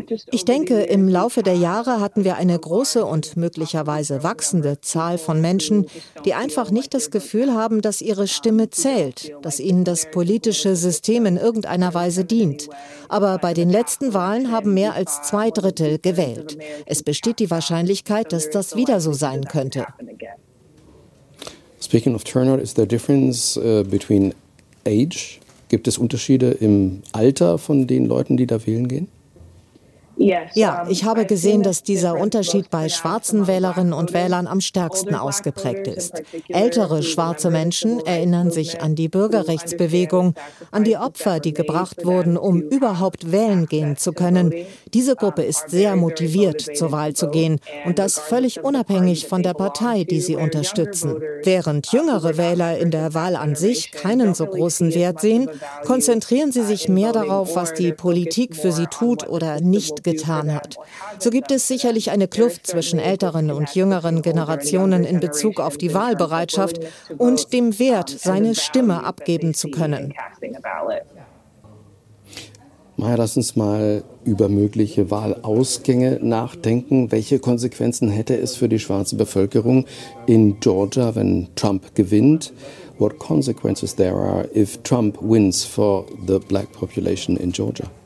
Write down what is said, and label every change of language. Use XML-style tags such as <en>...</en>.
<de>Ich denke, im Laufe der Jahre hatten wir eine große und möglicherweise wachsende Zahl von Menschen, die einfach nicht das Gefühl haben, dass ihre Stimme zählt, dass ihnen das politische System in irgendeiner Weise dient. Aber bei den letzten Wahlen haben mehr als 2/3 gewählt. Es besteht die Wahrscheinlichkeit, dass das wieder so sein könnte.</de> <en>Speaking of turnout, is there a difference between age?</en> <de>Gibt es Unterschiede im Alter von den Leuten, die da wählen gehen? Ja, ich habe gesehen, dass dieser Unterschied bei schwarzen Wählerinnen und Wählern am stärksten ausgeprägt ist. Ältere schwarze Menschen erinnern sich an die Bürgerrechtsbewegung, an die Opfer, die gebracht wurden, um überhaupt wählen gehen zu können. Diese Gruppe ist sehr motiviert, zur Wahl zu gehen, und das völlig unabhängig von der Partei, die sie unterstützen. Während jüngere Wähler in der Wahl an sich keinen so großen Wert sehen, konzentrieren sie sich mehr darauf, was die Politik für sie tut oder nicht getan hat. So gibt es sicherlich eine Kluft zwischen älteren und jüngeren Generationen in Bezug auf die Wahlbereitschaft und dem Wert, seine Stimme abgeben zu können. Maya, lass uns mal über mögliche Wahlausgänge nachdenken. Welche Konsequenzen hätte es für die schwarze Bevölkerung in Georgia, wenn Trump gewinnt?</de> <en>What consequences there are if Trump wins for the black population in Georgia?</en>